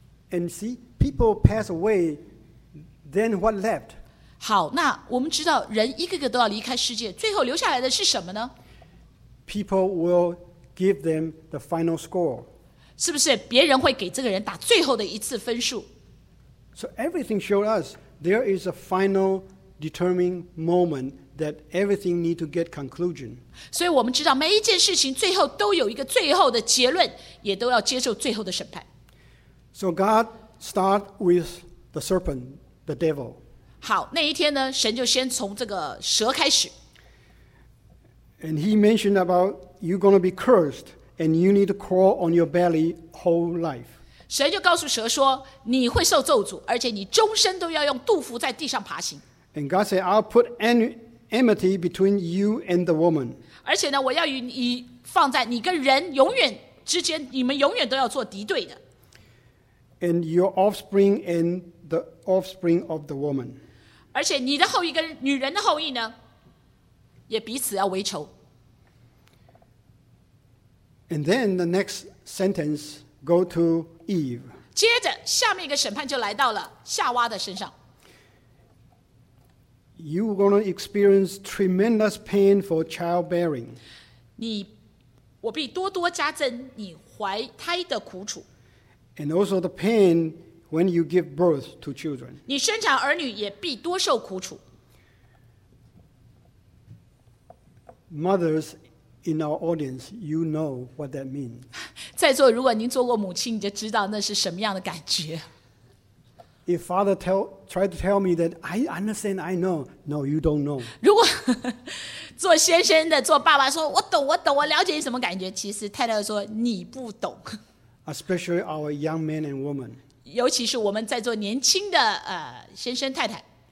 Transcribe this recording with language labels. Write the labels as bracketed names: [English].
[English] And see, people pass away, then what left? [Chinese] 好，那我们知道人一个个都要离开世界，最后留下来的是什么呢？ [English] People will give them the final score. [Chinese] 是不是别人会给这个人打最后的一次分数？ [English] So everything shows us there is a final determining moment. That everything needs to get conclusion. [Chinese] 所以我们知道每一件事情最后都有一个最后的结论，也都要接受最后的审判。 [English] So God starts with the serpent, the devil. [Chinese] 好，那一天呢，神就先从这个蛇开始。 [English] And he mentioned about you're going to be cursed and you need to crawl on your belly whole life. [Chinese] 神就告诉蛇说，你会受咒诅，而且你终身都要用肚腹在地上爬行。 [English] And God said, I'll put enmity between you and the woman. [Chinese] 而且呢，我要与你放在你跟人永远之间，你们永远都要做敌对的。 [English] And your offspring and the offspring of the woman. [Chinese] 而且你的后裔跟女人的后裔呢，也彼此要为仇。 [English] And then the next sentence go to Eve. [Chinese] 接着下面一个审判就来到了夏娃的身上。 [English] You're going to experience tremendous pain for childbearing. [Chinese] 我必多多加增你怀胎的苦楚。 [English] And also the pain when you give birth to children. [Chinese] 你生产儿女也必多受苦楚。 [English] Mothers in our audience, you know what that means. [Chinese] 在座如果您做过母亲，你就知道那是什么样的感觉。 [English] If father tried to tell me that I understand, I know. No, you don't know. [Chinese] 如果做先生的做爸爸说我懂我懂我了解你什么感觉，其实太太说你不懂。 [English] Especially our young men and women. [Chinese] 尤其是我们在做年轻的先生太太。